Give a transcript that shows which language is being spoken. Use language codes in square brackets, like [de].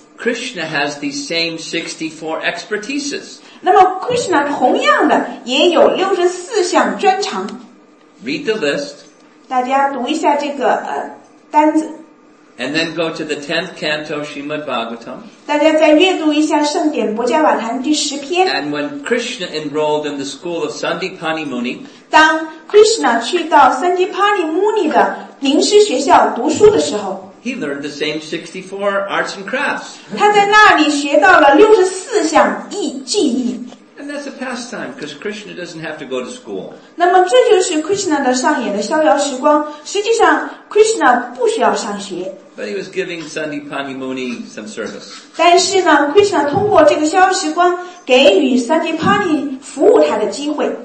[en] Krishna has the same 64 expertises. [zh] 那么 Krishna 同样的也有六十四项专长。 [en] Read the list. [zh] 大家读一下这个单子。 [en] And then go to the 10th canto Srimad Bhagavatam. [zh] 大家再阅读一下圣典薄伽瓦坛第十篇。 [en] And when Krishna enrolled in the school of Sandipani Muni. [zh] 当 Krishna 去到 Sandipani Muni 的临时学校读书的时候。 [en] He learned the same 64 arts and crafts. [zh] 他在那里学到了64项技艺。 [en] And that's a pastime, because Krishna doesn't have to go to school. [zh] 那么这就是 Krishna 的上演的逍遥时光。实际上 Krishna 不需要上学。 [en] But he was giving Sandipani Muni some service. [zh] 但是呢 ,Krishna 通过这个逍遥时光给予 Sandipani 服务他的机会。